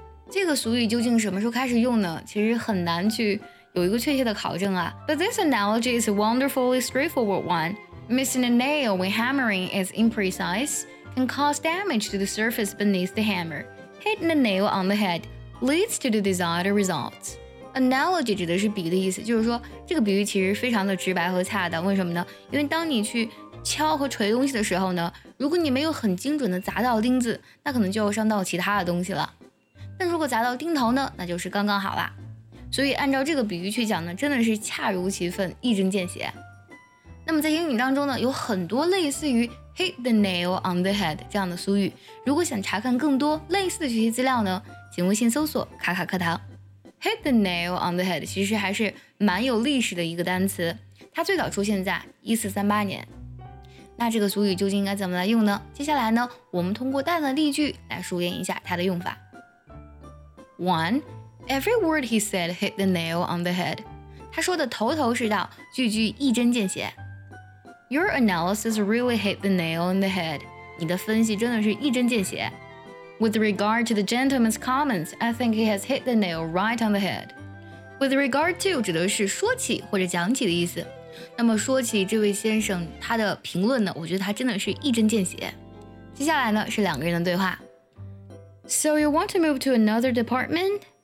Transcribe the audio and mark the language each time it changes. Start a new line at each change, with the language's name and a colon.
Chinese: 这个俗语究竟什么时候开始用呢？其实很难去有一个确切的考证啊。
English: But this analogy is a wonderfully straightforward one. Missing a nail when hammering is imprecise can cause damage to the surface beneath the hammer. Hitting a nail on the head leads to the desired results.
Chinese: Analogy 指的是比的意思，就是说这个比喻其实非常的直白和恰当。为什么呢？因为当你去敲和锤东西的时候呢，如果你没有很精准的砸到钉子，那可能就要伤到其他的东西了。但如果砸到钉头呢，那就是刚刚好啦。所以按照这个比喻去讲呢，真的是恰如其分，一针见血。那么在英语当中呢，有很多类似于 hit the nail on the head 这样的俗语。如果想查看更多类似的学习资料呢，请微信搜索卡卡课堂。 Hit the nail on the head 其实还是蛮有历史的一个单词，它最早出现在1438年。那这个俗语究竟应该怎么来用呢？接下来呢，我们通过大段例句来熟练一下它的用法。
English: One, every word he said hit the nail on the head.
Chinese: 他说的头头是道，句句一针见血。
English: Your analysis really hit the nail on the head.
Chinese: 你的分析真的是一针见血。
English: With regard to the gentleman's comments, I think he has hit the nail right on the head.
Chinese: With regard to 指的是说起或者讲起的意思。那么说起这位先生他的评论呢，我觉得他真的是一针见血。接下来呢，是两个人的对话。
English: So you want to move to another department?